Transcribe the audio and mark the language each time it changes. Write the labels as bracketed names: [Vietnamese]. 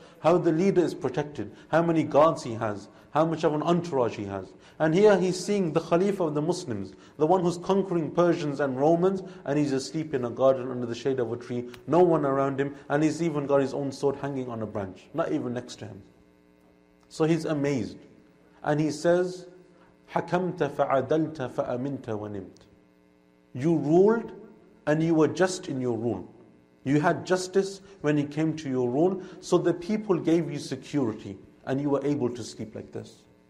[English] How the leader is protected, how many guards he has, how much of an entourage he has. And here he's seeing the Khalifa of the Muslims, the one who's conquering Persians and Romans, and he's asleep in a garden under the shade of a tree, no one around him, and he's even got his own sword hanging on a branch, not even next to him. So he's amazed. And he says, [Arabic] حَكَمْتَ فَعَدَلْتَ فَأَمِنْتَ وَنِمْتَ. [English] You ruled and you were just in your rule. You had justice when it came to your rule, so the people gave you security and you were able to sleep like this.